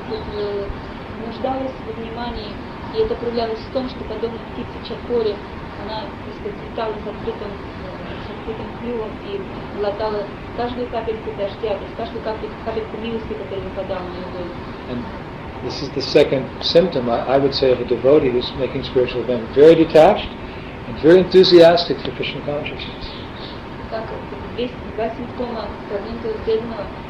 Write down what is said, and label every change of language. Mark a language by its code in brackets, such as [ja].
[ru] Нуждалась в внимании, и это проявлялось в том, что подобно птице Чакоре, она летала с открытым клювом и глотала каждую капельку дождя, то есть каждую капельку милости, которая выпадала на нее. [en] And this is the second symptom, I would say, of a devotee who's making spiritual event very detached and very enthusiastic for Krishna consciousness. [ru] Так, два симптома, продвинутого преданного,